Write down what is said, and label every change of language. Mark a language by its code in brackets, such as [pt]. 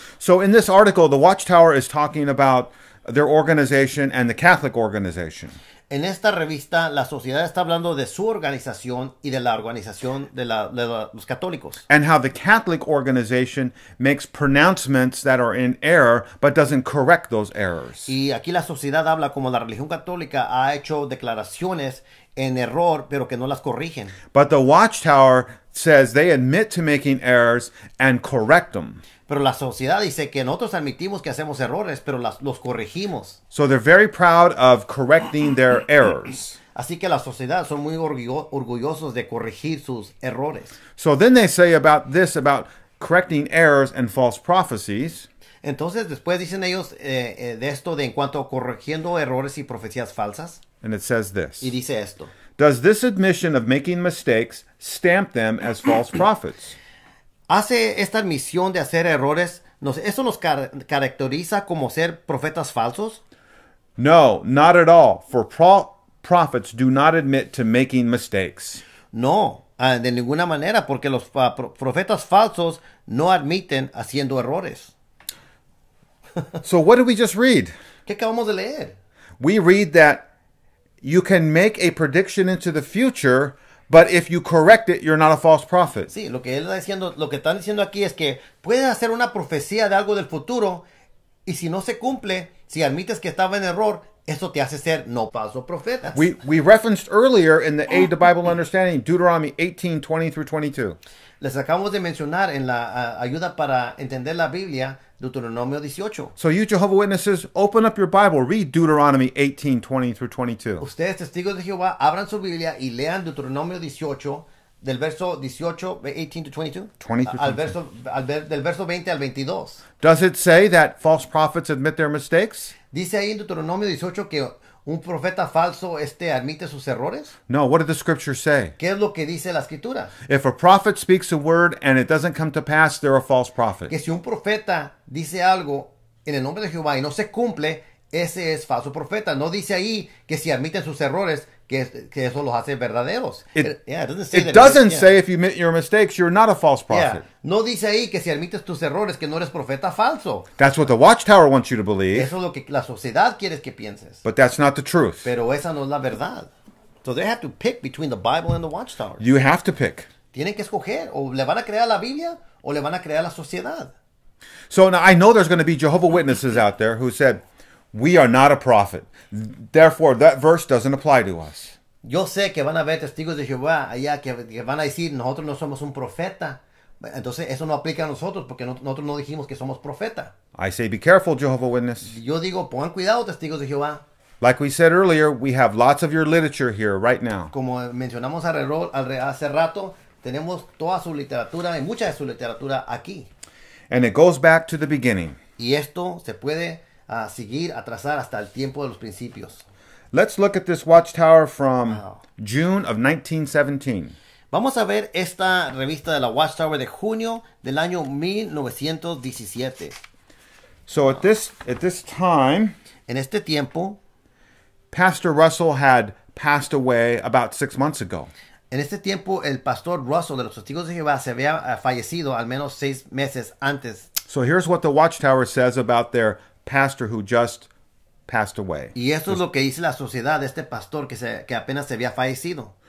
[en] So in this article, the Watchtower is talking about their organization and the Catholic organization. [es] En esta revista, la sociedad está hablando de su organización y de la organización de los católicos. [en] And how the Catholic organization makes pronouncements that are in error, but doesn't correct those errors. [es] Y aquí la sociedad habla como la religión católica ha hecho declaraciones en error, pero que no las corrigen. [en] But the Watchtower says they admit to making errors and correct them. [es] Pero la sociedad dice que nosotros admitimos que hacemos errores, pero los corregimos. [en] So they're very proud of correcting their errors. [es] Así que la sociedad son muy orgullosos de corregir sus errores. [en] So then they say about this, about correcting errors and false prophecies. [es] Entonces después dicen ellos de esto, de en cuanto a corrigiendo errores y profecías falsas. [en] And it says this. [es] Y dice esto. [en] Does this admission of making mistakes stamp them as false prophets? [es] Hace esta admisión de hacer errores, ¿eso nos caracteriza como ser profetas falsos? [en] No, not at all. For prophets do not admit to making mistakes. [es] No, de ninguna manera, porque los profetas falsos no admiten haciendo errores. [en] So what did we just read? [es] ¿Qué acabamos de leer? [en] We read that you can make a prediction into the future, but if you correct it, you're not a false prophet. [es] Sí, lo que él está diciendo, lo que están diciendo aquí es que puedes hacer una profecía de algo del futuro, y si no se cumple, si admites que estaba en error, eso te hace ser no falso profeta. [en] We referenced earlier in the Aid to Bible Understanding, Deuteronomy 18:20-22. [es] Les acabamos de mencionar en la ayuda para entender la Biblia, Deuteronomio 18. [en] So you Jehovah Witnesses, open up your Bible, read Deuteronomy 18:20-22. [es] Ustedes testigos de Jehová, abran su Biblia y lean Deuteronomio 18, del verso 18, [en] 18 to 22. Does it say that false prophets admit their mistakes? [es] Dice ahí en Deuteronomio 18 que un profeta falso admite sus errores? [en] No, what did the scripture say? [es] ¿Qué es lo que dice la escritura? [en] If a prophet speaks a word and it doesn't come to pass, they're a false prophet. [es] Que si un profeta dice algo en el nombre de Jehová y no se cumple, ese es falso profeta. No dice ahí que si admite sus errores, que eso los hace verdaderos. [en] It doesn't say if you admit your mistakes, you're not a false prophet. Yeah. [es] No dice ahí que si admites tus errores, que no eres profeta falso. [en] That's what the Watchtower wants you to believe. [es] Eso es lo que la sociedad quiere que pienses. [en] But that's not the truth. [es] Pero esa no es la verdad. [en] So they have to pick between the Bible and the Watchtower. You have to pick. [es] Tienen que escoger. O le van a creer a la Biblia, o le van a creer a la sociedad. [en] So now I know there's going to be Jehovah Witnesses out there who said, we are not a prophet. Therefore, that verse doesn't apply to us. [es] Yo sé que van a haber testigos de Jehová allá que van a decir, nosotros no somos un profeta. Entonces, eso no aplica a nosotros porque nosotros no dijimos que somos profeta. [en] I say, be careful, Jehovah Witness. [es] Yo digo, pongan cuidado, testigos de Jehová. [en] Like we said earlier, we have lots of your literature here right now. [es] Como mencionamos hace rato, tenemos toda su literatura y mucha de su literatura aquí. [en] And it goes back to the beginning. [es] Y esto se puede a seguir, a trazar hasta el tiempo de los principios. [en] Let's look at this Watchtower from June of 1917. [es] Vamos a ver esta revista de la Watchtower de junio del año 1917. [en] So at this time, [es] en este tiempo, [en] Pastor Russell had passed away about 6 months ago. [es] En este tiempo, el pastor Russell de los Testigos de Jehová se había fallecido al menos 6 meses antes. [en] So here's what the Watchtower says about their pastor who just passed away. [es] Y esto es lo que dice la sociedad de este pastor que apenas se había fallecido.